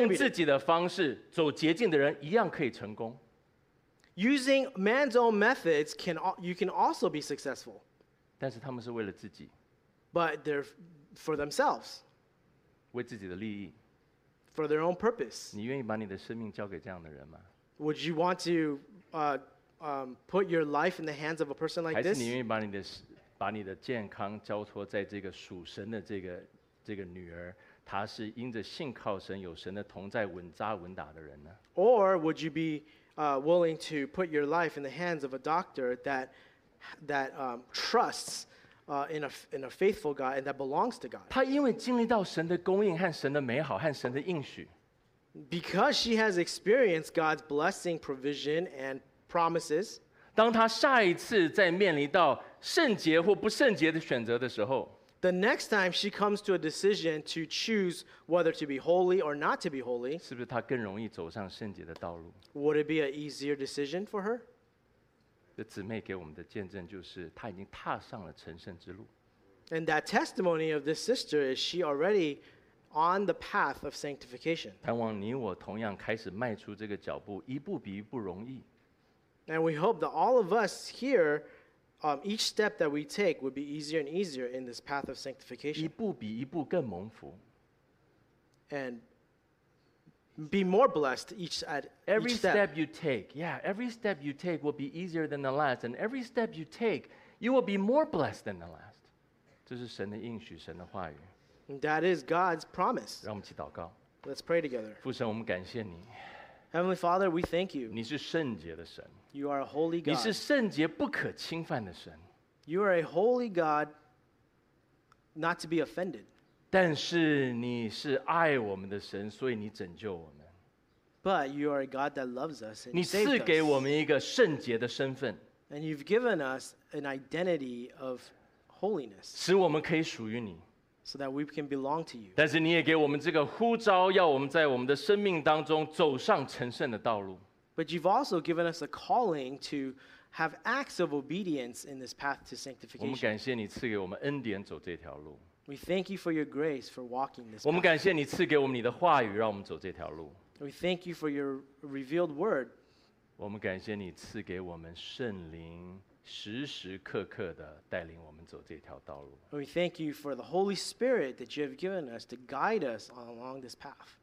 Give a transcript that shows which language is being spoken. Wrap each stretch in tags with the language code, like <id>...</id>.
<zh>用自己的方式走捷径的人一样可以成功。</zh> <en>Using man's own methods, you can also be successful.</en> <zh>但是他们是为了自己。</zh> <en>But they're for themselves.</en> <zh>为自己的利益。</zh> <en>For their own purpose.</en> <zh>你愿意把你的生命交给这样的人吗？</zh> <en>Would you want to put your life in the hands of a person like this?</en> <zh>还是你愿意把你的健康交托在这个属神的这个女儿？她是因着信靠神，有神的同在，稳扎稳打的人呢？</zh> <en>Or would you be willing to put your life in the hands of a doctor that trusts in a faithful God and that belongs to God?</en> <zh>她因为经历到神的供应和神的美好和神的应许。</zh> <en>Because she has experienced God's blessing, provision, and promises.</en> <zh>当她下一次在面临到圣洁或不圣洁的选择的时候。</zh> <en>The next time she comes to a decision to choose whether to be holy or not to be holy,</en> <zh>是不是她更容易走上圣洁的道路？</zh> <en>Would it be an easier decision for her?</en> <zh>这姊妹给我们的见证就是她已经踏上了成圣之路。</zh> <en>And that testimony of this sister is she already on the path of sanctification.</en> <zh>盼望你我同样开始迈出这个脚步，一步比一步容易。</zh> <en>And we hope that all of us here each step that we take would be easier and easier in this path of sanctification.</en> <zh>一步比一步更蒙福。</zh> <en>And be more blessed each step you take. Yeah, every step you take will be easier than the last, and every step you take, you will be more blessed than the last.</en> <zh>这是神的应许，神的话语。</zh> <en>That is God's promise.</en> <zh>让我们一起祷告。</zh> <en>Let's pray together.</en> <zh>父神，我们感谢你。</zh> <en>Heavenly Father, we thank you.</en> <zh>你是圣洁的神。</zh> <en>You are a holy God.</en> <zh>你是圣洁不可侵犯的神。</zh> <en>You are a holy God, not to be offended.</en> <zh>但是你是爱我们的神，所以你拯救我们。</zh> <en>But you are a God that loves us and saved us.</en> <zh>你赐给我们一个圣洁的身份。</zh> <en>And you've given us an identity of holiness.</en> <zh>使我们可以属于你。</zh> <en>So that we can belong to you.</en> <zh>但是你也给我们这个呼召，要我们在我们的生命当中走上成圣的道路。</zh> <en>But you've also given us a calling to have acts of obedience in this path to sanctification.</en> <zh>我们感谢你赐给我们恩典走这条路。</zh> <en>We thank you for your grace for walking this path.</en> <zh>我们感谢你赐给我们你的话语，让我们走这条路。</zh> <en>We thank you for your revealed word.</en> <zh>我们感谢你赐给我们圣灵。时时刻刻的带领我们走这条道路。</zh> <en>We thank you for the Holy Spirit that you have given us to guide us along this path.</en>